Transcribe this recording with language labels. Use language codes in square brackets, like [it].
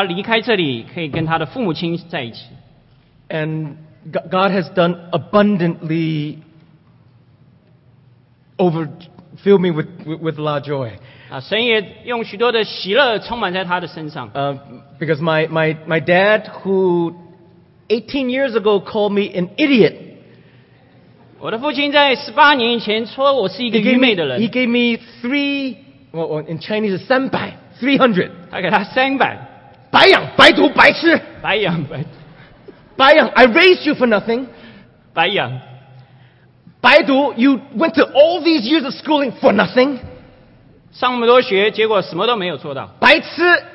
[zh] 为此他也要感谢米成华的教会，他离开这里可以跟他的父母亲在一起。 [en] And God has done abundantly filled me with a lot of joy. [zh] 神也用许多的喜乐充满在他的身上。 [en] Because my dad, who 18 years ago called me an idiot, [zh] 我的父亲在18年前说我是一个愚昧的人。 [en] He gave me three, in Chinese, 300. [zh] 他给他300. 白养,白读,白痴。白养,白读。白养, [en] I raised you for nothing. [zh] 白养。 [en] 白读, you went to all these years of schooling for nothing. [zh] 上那么多学,结果什么都没有做到。白痴,